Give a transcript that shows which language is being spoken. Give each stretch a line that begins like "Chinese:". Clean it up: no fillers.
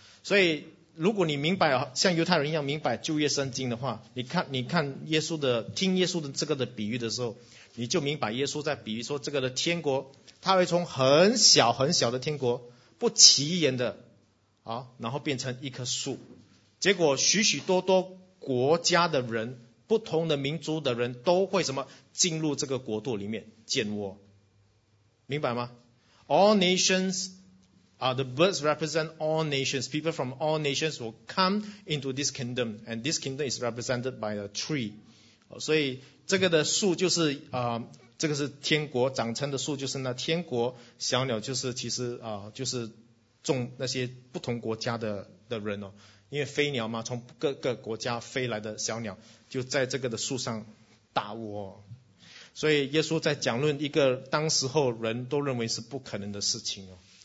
Chinese: 所以如果你明白像犹太人一样明白旧约圣经的话，你看耶稣的听耶稣的这个的比喻的时候，你就明白耶稣在比喻说这个的天国，他会从很小很小的天国不起眼的啊，然后变成一棵树，结果许许多多国家的人，不同的民族的人都会什么进入这个国度里面建窝，明白吗？
English: All nations are the birds represent all nations. People from all nations will come into this kingdom, and this kingdom is represented by a tree.
Chinese: 所以这个的树就是这个是天国长成的树，就是那天国小鸟，就是其实就是种那些不同国家的人哦。因为飞鸟嘛，从各个国家飞来的小鸟就在这个的树上搭窝，所以耶稣在讲论一个当时候人都认为是不可能的事情哦。